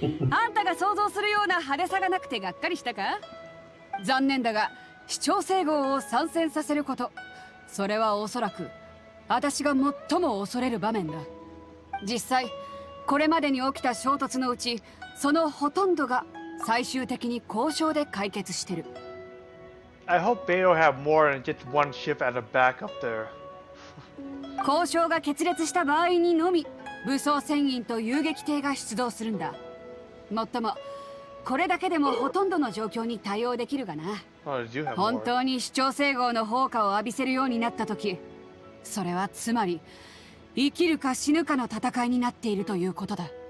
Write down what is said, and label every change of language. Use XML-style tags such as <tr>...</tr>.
<ja>あんたが想像するような派手さがなくてがっかりしたか。残念だが視聴整合を参戦させること、それはおそらく私が最も恐れる場面だ。実際これまでに起きた衝突のうち、そのほとんどが最終的に交渉で解決してる。</ja> <en>I hope they don't have more than just one ship at the back up there.</en> <ja>交渉が決裂した場合にのみ、武装船員と遊撃艇が出動するんだ。もっとも、これだけでもほとんどの状況に対応できるがな。本当に視聴整合の砲火を浴びせるようになった時、それはつまり生きるか死ぬかの戦いになっているということだ。</ja>